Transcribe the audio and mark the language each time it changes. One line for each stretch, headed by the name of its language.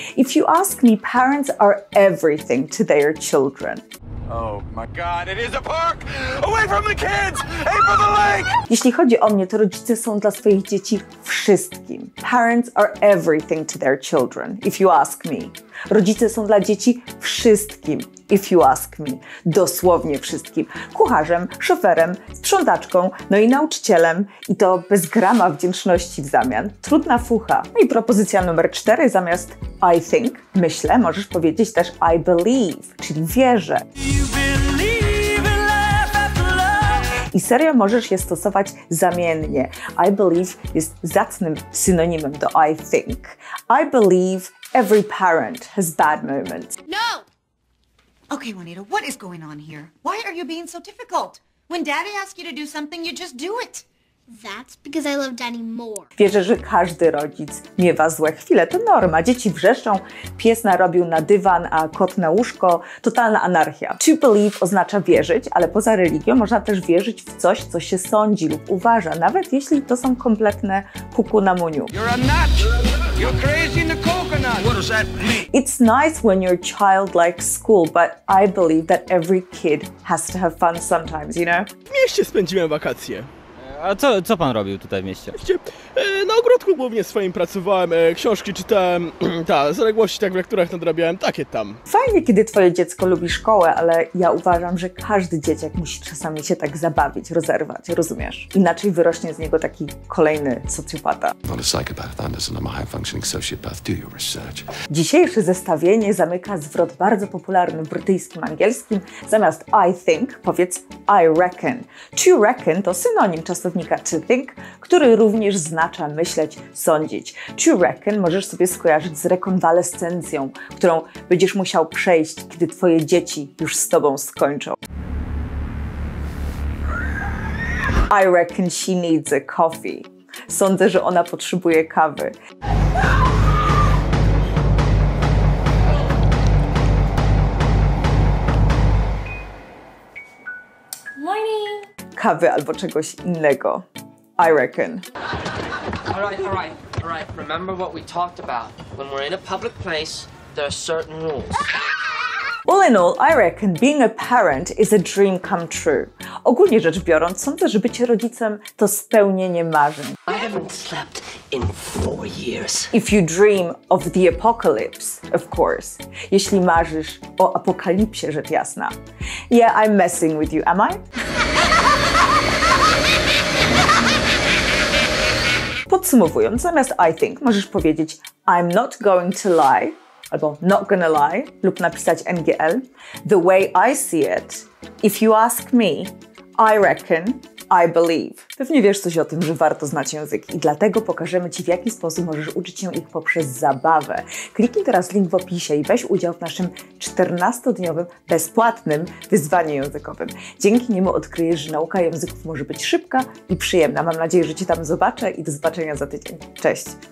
English: If you ask me, parents are everything to their children. Oh my God, it is a park! Away from the kids! Away from the lake!
Polish: Jeśli chodzi o mnie, to rodzice są dla swoich dzieci wszystkim.
English: Parents are everything to their children, if you ask me.
Polish: Rodzice są dla dzieci wszystkim,
English: if you ask me.
Polish: Dosłownie wszystkim. Kucharzem, szoferem, sprzątaczką, no i nauczycielem. I to bez grama wdzięczności w zamian. Trudna fucha. No i propozycja numer 4, zamiast
English: I think,
Polish: myślę, możesz powiedzieć też
English: I believe,
Polish: czyli wierzę. I serio możesz je stosować zamiennie.
English: I believe
Polish: jest zacnym synonimem do
English: I think. I believe every parent has bad moments. No! Okay, Juanita, what is going on here? Why are you being so difficult? When daddy asks you to do something, you just do it. That's because I love daddy more.
Polish: Wierzę, że każdy rodzic miewa złe chwile. To norma. Dzieci wrzeszczą, pies narobił na dywan, a kot na łóżko. Totalna anarchia.
English: To believe
Polish: oznacza wierzyć, ale poza religią można też wierzyć w coś, co się sądzi lub uważa, nawet jeśli to są kompletne kuku na muniu.
English: You're a nut. You're crazy in the coconut. What does that mean? It's nice when your child likes school, but I believe that every kid has to have fun sometimes, you know?
Polish: W mieście spędziłem wakacje. A co pan robił tutaj w mieście? Na ogródku głównie swoim pracowałem, książki czytałem, zaległości tak w lekturach nadrabiałem, takie tam. Fajnie, kiedy twoje dziecko lubi szkołę, ale ja uważam, że każdy dzieciak musi czasami się tak zabawić, rozerwać, rozumiesz? Inaczej wyrośnie z niego taki kolejny socjopata. Dzisiejsze zestawienie zamyka zwrot bardzo popularny w brytyjskim angielskim. Zamiast
English: I think,
Polish: powiedz
English: I reckon. To reckon
Polish: to synonim czasownika
English: to think,
Polish: który również oznacza myśleć, sądzić.
English: To reckon
Polish: możesz sobie skojarzyć z rekonwalescencją, którą będziesz musiał przejść, kiedy twoje dzieci już z tobą skończą.
English: I reckon she needs a coffee.
Polish: Sądzę, że ona potrzebuje kawy.
English: Morning.
Polish: Kawy albo czegoś innego.
English: I reckon. All right. Remember what we talked about. When we're in a public place, there are certain rules. All in all, I reckon being a parent is a dream come true.
Polish: Ogólnie rzecz biorąc, sądzę, że bycie rodzicem to spełnienie marzeń.
English: I haven't slept in 4 years. If you dream of the apocalypse, of course.
Polish: Jeśli marzysz o apokalipsie, rzecz jasna.
English: Yeah, I'm messing with you, am I?
Polish: Podsumowując, zamiast
English: I think
Polish: możesz powiedzieć
English: I'm not going to lie,
Polish: albo
English: not gonna lie,
Polish: lub napisać NGL.
English: The way I see it, if you ask me, I reckon, I believe.
Polish: Pewnie wiesz coś o tym, że warto znać język i dlatego pokażemy Ci, w jaki sposób możesz uczyć się ich poprzez zabawę. Kliknij teraz link w opisie i weź udział w naszym 14-dniowym, bezpłatnym wyzwaniu językowym. Dzięki niemu odkryjesz, że nauka języków może być szybka i przyjemna. Mam nadzieję, że Cię tam zobaczę i do zobaczenia za tydzień. Cześć!